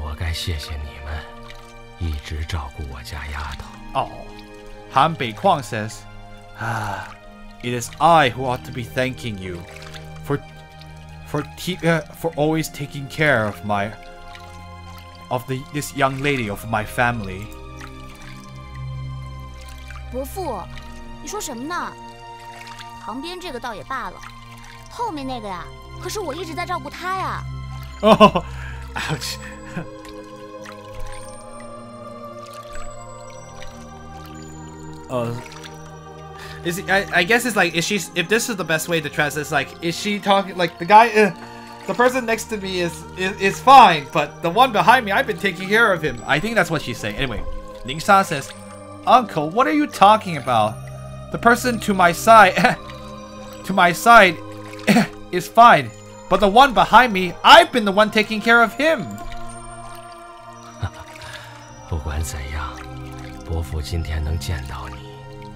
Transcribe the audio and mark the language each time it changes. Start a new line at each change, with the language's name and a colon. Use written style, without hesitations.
English: Han Bei Kuang says, it is I who ought to be thanking you for always taking care of my of the this young lady of my family.
Chinese: 伯父，你说什么呢？旁边这个倒也罢了，后面那个呀，可是我一直在照顾他呀。
English: Oh, ouch. I guess this is the best way to translate, it's like, is she talking, like, the guy, the person next to me is fine, but the one behind me, I've been taking care of him. I think that's what she's saying. Anyway, Ning Sha says, uncle, what are you talking about? The person to my side, is fine, but the one behind me, I've been the one taking care of him.
Chinese: 不管怎样，伯父今天能见到你。